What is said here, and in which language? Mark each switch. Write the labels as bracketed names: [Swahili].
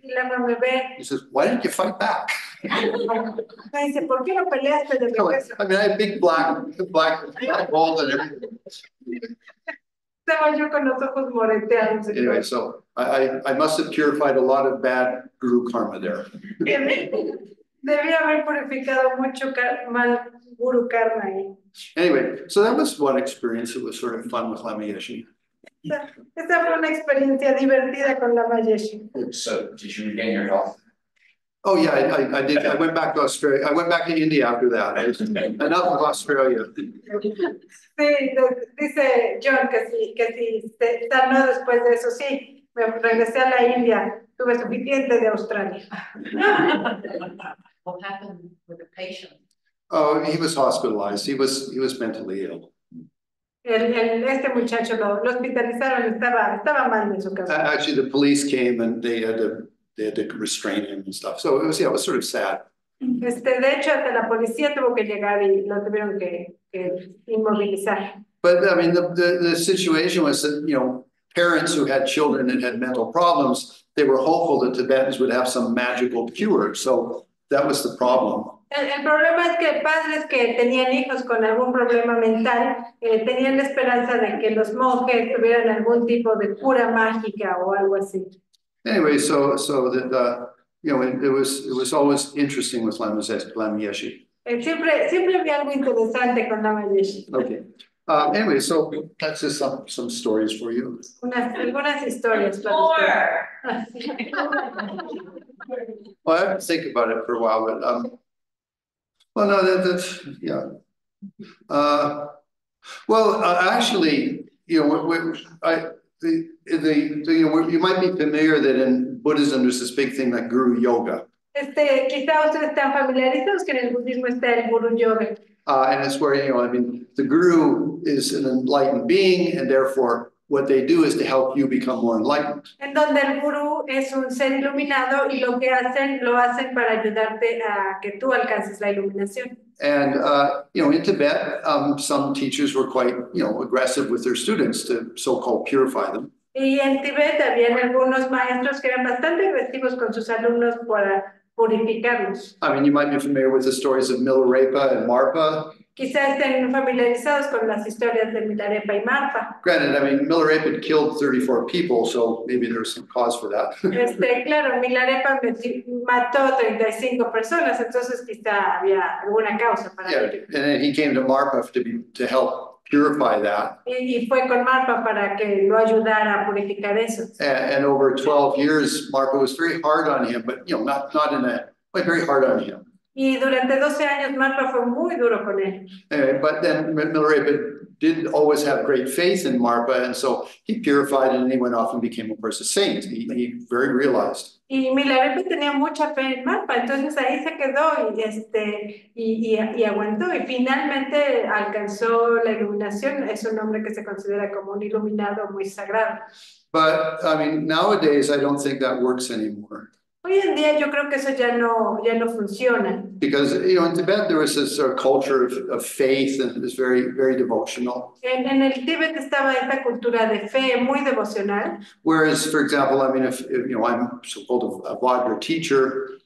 [English] He says, "Why didn't you fight back?" I mean, I had big black balls and everything. Anyway, so I must have purified a lot of bad guru karma there. Anyway, so that was one experience that was sort of fun with Lama Yeshe. [Spanish] Esa fue una experiencia divertida con Lama Yeshe. [English] So, did you regain your health? Oh yeah, I did. I went back to Australia. I went back to India after that. Enough of Australia. [Spanish] Sí, dice John que si sanó después de eso, sí, me regresé a la India. Tuve suficiente de Australia. [English] What happened with the patient? Oh, he was hospitalized. He was mentally ill. Actually, the police came and they had to restrain him and stuff. So it was sort of sad. But I mean, the situation was that, you know, parents who had children and had mental problems, they were hopeful that Tibetans would have some magical cure. So that was the problem. [Spanish] El problema es que padres que tenían hijos con algún problema mental tenían la esperanza de que los monjes tuvieran algún tipo de cura mágica o algo así. [English] Anyway, so that you know, it was always interesting with Lama Yeshe. [Spanish] Siempre había algo interesante con Lama Yeshe. [English] Okay. Anyway, so that's just some stories for you. [Spanish] Algunas historias. [English] Well, I have to think about it for a while, but actually, you know, you might be familiar that in Buddhism there's this big thing like Guru Yoga. And it's where, you know, I mean, the Guru is an enlightened being, and therefore what they do is to help you become more enlightened. [Spanish] En donde el gurú es un ser iluminado y lo que hacen, lo hacen para ayudarte a que tú alcances la iluminación. [English] And, you know, in Tibet, some teachers were quite, you know, aggressive with their students to so-called purify them. [Spanish] Y en Tibet había algunos maestros que eran bastante agresivos con sus alumnos para purificarlos. [English] I mean, you might be familiar with the stories of Milarepa and Marpa. [Spanish] Quizás estén familiarizados con las historias de Milarepa y Marpa. [English] Granted, I mean, Milarepa had killed 34 people, so maybe there's some cause for that. [Spanish] Claro, Milarepa mató 35 personas, entonces quizá había alguna causa para ello. [English] Yeah, and then he came to Marpa to help purify that. [Spanish] Y fue con Marpa para que lo ayudara a purificar eso. [English] And over 12 years, Marpa was very hard on him, but, you know, not in a way, very hard on him. [Spanish] Y durante 12 años Marpa fue muy duro con él. [English] Anyway, but then Milarepa didn't always have great faith in Marpa, and so he purified and he went off and became a person of saint. He very realized. [Spanish] Y Milarepa tenía mucha fe en Marpa, entonces ahí se quedó y aguantó y finalmente alcanzó la iluminación. Es un hombre que se considera como un iluminado muy sagrado. [English] But I mean, nowadays I don't think that works anymore. [Spanish] Hoy en día yo creo que eso ya no funciona. [English] Because, you know, in Tibet there was this sort of culture of faith and it was very, very devotional. [Spanish] En el Tibet estaba esta cultura de fe muy devocional. [English] Whereas, for example, I mean, if you know, I'm so-called a Vajra teacher.